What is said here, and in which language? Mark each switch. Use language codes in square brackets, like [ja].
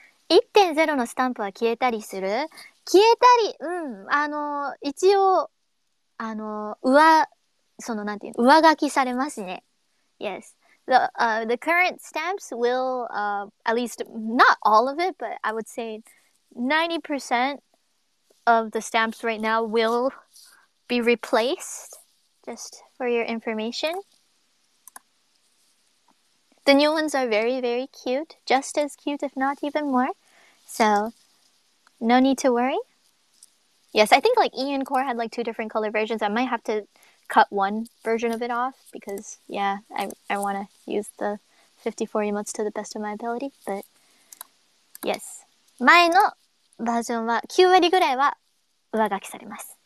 [ja] 1.0 のスタンプは消えたりする？消えたり、うん。一応、上書きされますね。 [en] Yes. The current stamps will, at least, not all of it, but I would say 90% of the stamps right now will be replaced, just for your information. The new ones are very, very cute. Just as cute, if not even more. So, no need to worry. Yes, I think like Ian Core had like two different color versions. I might have to cut one version of it off because, yeah, I want to use the 54 emotes to the best of my ability. But, yes. [ja] 前のバージョンは9割ぐらいは上書きされます。